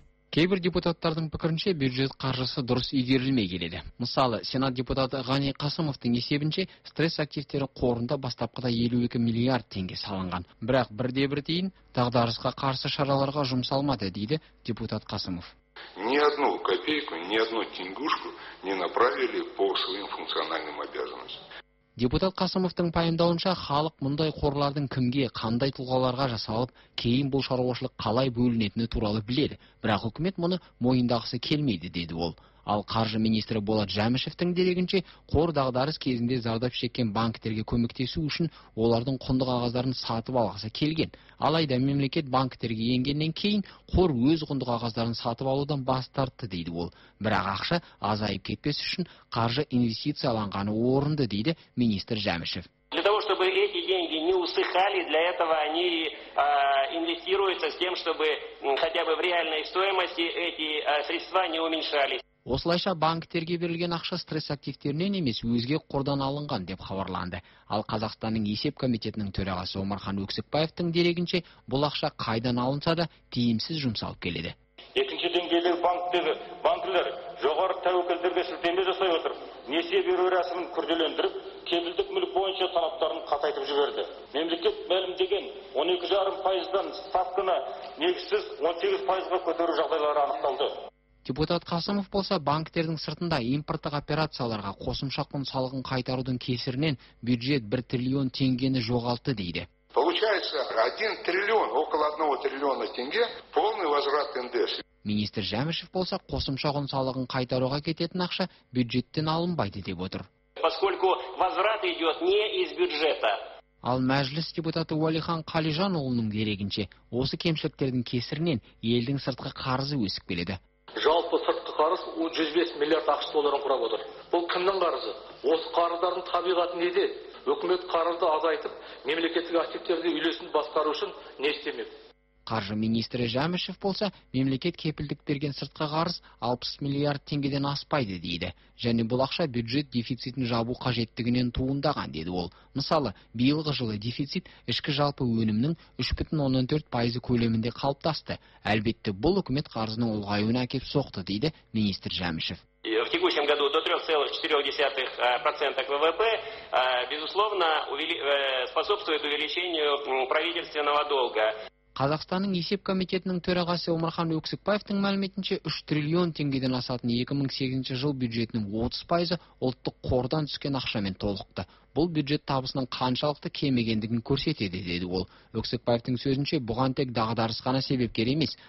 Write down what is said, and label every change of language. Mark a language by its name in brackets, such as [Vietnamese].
[Kazakh] Кейбір депутаттардың пікірінше бюджет қаржысы дұрыс игерілмей келеді. Мысалы, сенат депутаты Ғани Қасымовтың есебінше стресс активтері қорында бастапқыда 52 миллиард теңге салынған. Бірақ бірде-бір дейін дағдарысқа қарсы шараларға жұмсалмады, дейді депутат Қасымов. [Russian] Ни одну копейку, ни одну тенгушку не направили по своим функциональным обязанностям. [Kazakh] Депутат Қасымовтың пайымдауынша, халық мұндай қорлардың кімге, қандай тұлғаларға жасалып, кейін бұл шаруашылық қалай бөлінетіні туралы біледі. Бірақ үкімет мұны мойындағысы келмейді, деді ол. Ал қаржы министрі Болат Жәмішевтің дерегінше, қор дағдарыс кезінде зардап шеккен банктерге көмектесу үшін олардың құнды қағаздарын сатып алғысы келген. Алайда мемлекет банктерге енгеннен кейін қор өз құнды қағаздарын сатып алудан бас тартты, дейді ол. Бірақ ақша азайып кетпес үшін қаржы инвестицияланғаны орынды, дейді министр Жәмішев. [Russian] Для того, чтобы эти деньги не усыхали, для этого они инвестируются с тем, чтобы хотя бы в реальной стоимости эти средства не уменьшались. [Kazakh] Осылайша банктерге берілген ақша стресс активтерінен емес өзге қордан алынған деп хабарланды. Ал Қазақстанның есеп комитетінің төрағасы Омархан Өксікбаевтың дерегінше, бұл ақша қайдан алынса да тиімсіз жұмсалып келеді. Екінші деңгейлі банктер жоғары тәуекелдерге сілтеме жасай отырып, несие беру рәсімін күрделендіріп, кепілдік мүлік бойынша талаптарын қатайтып жіберді. Мемлекет мәлімдеген 12,5%-дан ставканы негізсіз 18%-ға көтеру жағдайлары анықталды. Депутат Қасымов болса, банктердің сыртында импорттық операцияларға қосымша құн салығын қайтарудың кесірінен бюджет 1 триллион теңгені жоғалтты, дейді. [Russian] Получается, 1 триллион, около 1 триллиона теңге полный возврат НДС. [Kazakh] Министр Жәмішев болса, қосымша құн салығын қайтаруға кететін ақша бюджеттен алынбайды, деп отыр. [Russian] Поскольку возврат идет не из бюджета. [Kazakh] Ал мәжіліс депутаты Уәлихан Қалижанұлының дерегінше, осы кемшіліктердің кесірінен елдің сыртқы қарызы өсіп келеді. Жалпы сыртқы қарыз 105 миллиард ақш долларын құрап отыр. Бұл кімнің қарызы? Осы қарыздардың табиғаты неде? Үкімет қарызды азайтып, мемлекеттік активтерді үйлесімді басқару үшін не істемек? Қаржы министрі Жәмішев болса, мемлекет кепілдік берген сыртқы қарыз 60 миллиард теңгеден аспайды дейді. Және бұл ақша бюджет дефицитін жабу қажеттігінен туындаған деді ол. Мысалы, биылғы жылы дефицит ішкі жалпы өнімнің 3,14% көлемінде қалыптасты. Әлбетте, бұл үкімет қарызының ұлғаюына әкеп соқты дейді министр Жәмішев. [Russian] В текущем году до 3,4% ВВП, безусловно, способствует увеличению правительственного долга. [Kazakh] Қазақстанның есеп комитетінің төрағасы Омархан Өксікбаевтың мәліметінше 3 триллион теңгеден асатын 2008 жыл бюджетінің 30% ұлттық қордан түскен ақшамен толықты. Бұл бюджет табысының қаншалықты кемегендігін көрсетеді, деді ол. Өксікбаевтың сөзінше бұған тек дағдарыс қана себепкер емес.